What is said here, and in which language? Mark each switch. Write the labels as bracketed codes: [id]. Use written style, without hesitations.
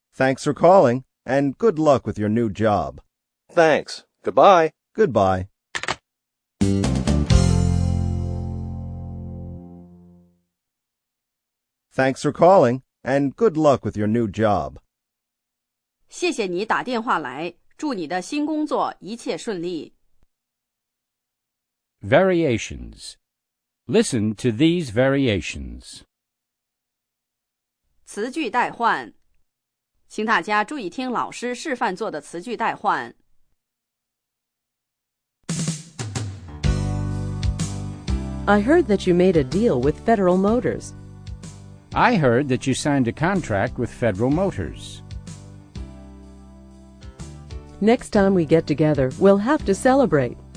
[en] Thanks for calling, and good luck with your new job. Thanks. Goodbye. Goodbye. Thanks for calling, and good luck with your new job. [zh] 谢谢你打电话来，祝你的新工作一切顺利。 [en] Variations. Listen to these variations. [zh] 词句代换，请大家注意听老师示范做的词句代换。 [en] I heard that you made a deal with Federal Motors. I heard that you signed a contract with Federal Motors. Next time we get together, we'll have to celebrate.